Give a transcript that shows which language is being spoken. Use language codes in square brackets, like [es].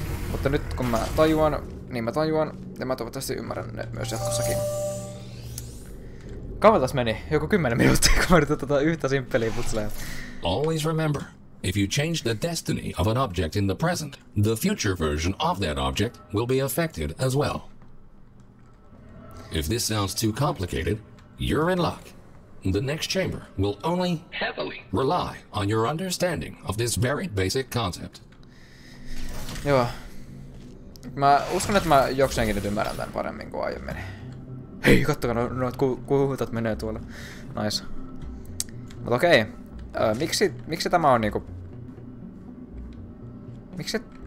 [fi] Mutta nyt kun mä tajuan, niin mä tajuan, ja mä toivottavasti ymmärrän ne myös jatkossakin. Kauan taas meni, joku 10 minuuttia, kun mä yritän tota yhtä simppeliä putseleja. [en] Always remember, if you change the destiny of an object in the present, the future version of that object will be affected as well. If this sounds too complicated, you're in luck. The next chamber will only heavily rely on your understanding of this very basic concept. [fi] Joo. Mä uskon, että mä jokseenkin nyt ymmärrän tän paremmin kuin aiemmin. Hei, kattokaa noit kuhutat menee tuolla. Nice. Mut okei. Miksi tämä on niinku... Miksi...